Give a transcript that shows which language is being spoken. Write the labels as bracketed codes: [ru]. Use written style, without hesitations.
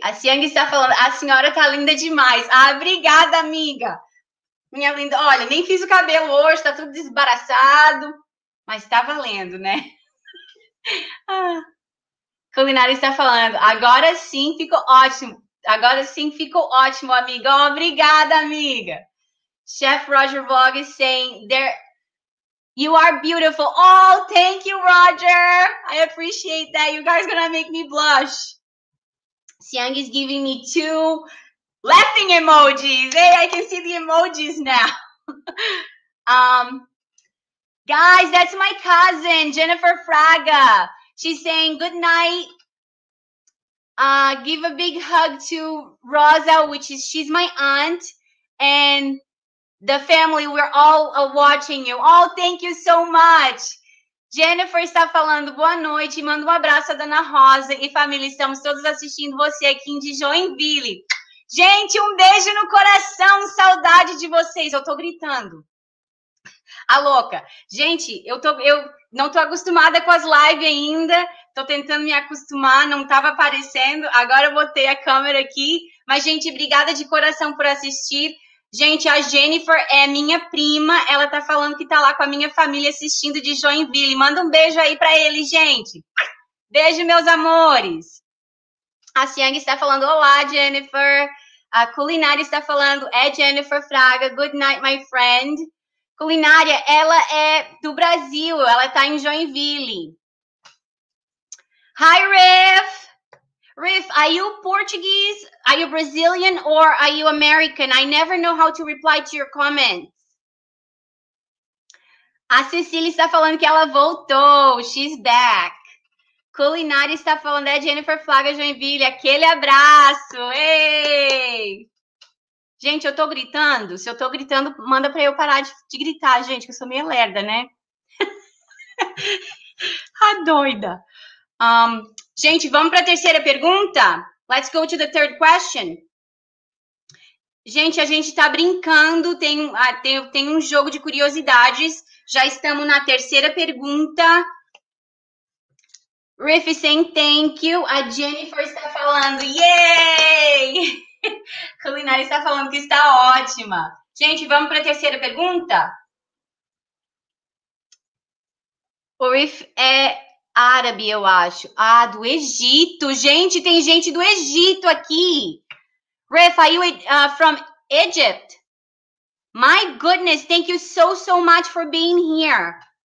[pt] A Siang está falando, a senhora tá linda demais. Ah, obrigada, amiga. Minha linda, olha, nem fiz o cabelo hoje, tá tudo desbaraçado, mas tá valendo, né? Culinária está falando, agora sim ficou ótimo. Agora sim ficou ótimo, amiga. Oh, obrigada, amiga. [en] Chef Roger Vlog is saying, you are beautiful. Oh, thank you, Roger. I appreciate that. You guys are gonna make me blush. Siang is giving me two laughing emojis. Hey, I can see the emojis now. Guys, that's my cousin, Jennifer Fraga. She's saying good night. Give a big hug to Rosa, she's my aunt. And the family, we're all watching you. Oh, thank you so much. [pt] Jennifer está falando boa noite, manda um abraço a Dona Rosa e família, estamos todos assistindo você aqui em Joinville. Gente, um beijo no coração, saudade de vocês, eu tô gritando. A louca. Gente, eu não tô acostumada com as lives ainda, tô tentando me acostumar, não tava aparecendo, agora eu botei a câmera aqui. Mas, gente, obrigada de coração por assistir. Gente, a Jennifer é minha prima. Ela tá falando que tá lá com a minha família assistindo de Joinville. Manda um beijo aí pra ele, gente. Beijo, meus amores. A Siang está falando, olá, Jennifer. A Culinária está falando, é Jennifer Fraga. [en] Good night, my friend. [pt] Culinária, ela é do Brasil. Ela tá em Joinville. [en] Hi, Riff. Riff, are you Portuguese? Are you Brazilian or are you American? I never know how to reply to your comments. [pt] A Cecília está falando que ela voltou. [en] She's back. [pt] Culinária está falando, é Jennifer Flaga Joinville. Aquele abraço. Ei! Gente, eu tô gritando. Se eu tô gritando, manda para eu parar de gritar, gente, que eu sou meio lerda, né? A doida. Gente, vamos para a terceira pergunta? [en] Let's go to the third question. [pt] Gente, a gente está brincando, tem um jogo de curiosidades. Já estamos na terceira pergunta. [en] Riff saying thank you. [pt] A Jennifer está falando, yay! Culinária está falando que está ótima. Gente, vamos para a terceira pergunta? O Riff é árabe, eu acho. Ah, do Egito. Gente, tem gente do Egito aqui. [en] Riff, are you from Egypt? My goodness, thank you so, so much for being here.